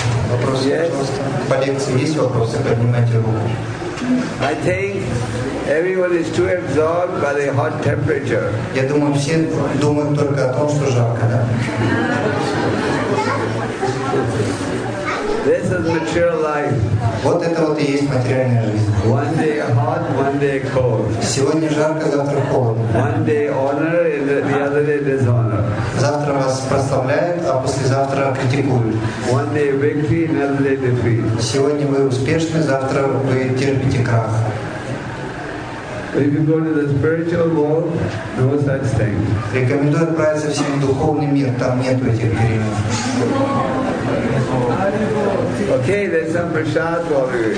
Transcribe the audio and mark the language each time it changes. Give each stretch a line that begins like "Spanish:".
Russian: Вопросы, пожалуйста. По лекции есть вопросы, поднимайте руку.
English: I think everyone is too absorbed by the hot temperature.
Russian: Я думаю, все думают только о том, что жарко, да?
English: This is material life.
Russian: Вот это вот и есть материальная жизнь.
English: One day hot, one day cold.
Russian: Сегодня жарко, завтра холодно.
English: One day honor, and the other day dishonor.
Russian: Завтра вас прославляют, а послезавтра критикуют.
English: One day victory, another day defeat.
Russian: Сегодня вы успешны, завтра вы терпите крах.
English: If you go to the spiritual world, no such thing.
Russian: Рекомендую отправиться в сильный духовный мир, там нету этих перемен.
English: Okay, there's some prasad for you.